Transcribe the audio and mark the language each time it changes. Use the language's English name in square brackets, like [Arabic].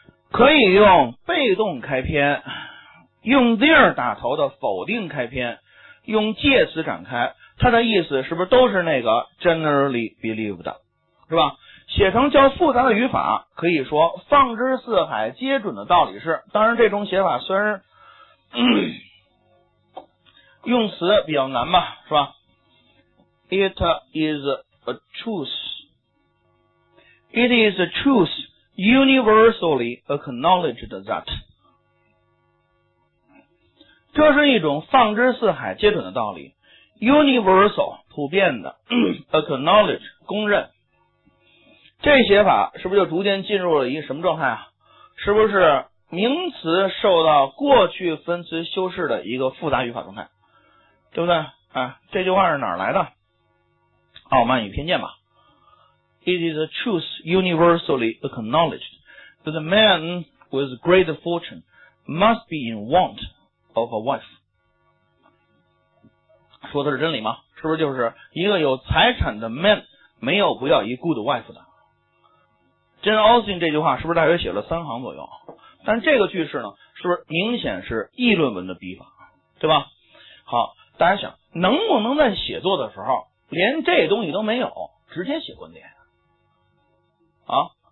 [Chinese] 可以用被动开篇，用 there 打头的否定开篇，用介词展开，它的意思是不是都是那个 [English] generally believed， [Chinese] 是吧？写成较复杂的语法，可以说放之四海皆准的道理是，当然这种写法虽然用词比较难吧，是吧？ [English] It is a truth. It is a truth universally acknowledged that. [Chinese] 这是一种放之四海皆准的道理。Universal, 普遍的acknowledge, 公认。这写法是不是就逐渐进入了一个什么状态啊？是不是名词受到过去分词修饰的一个复杂语法状态，对不对？啊，这句话是哪来的？傲慢与偏见吧。 [English] It is a truth universally acknowledged that a man with great fortune must be in want of a wife。 [Chinese] 说的是真理吗？是不是就是一个有财产的 man 没有不要一 [English] good wife [Chinese] 的？ Jane Austen 这句话是不是大约写了三行左右，但这个句式呢是不是明显是议论文的笔法，对吧？好，大家想能不能在写作的时候连这东西都没有直接写观点啊？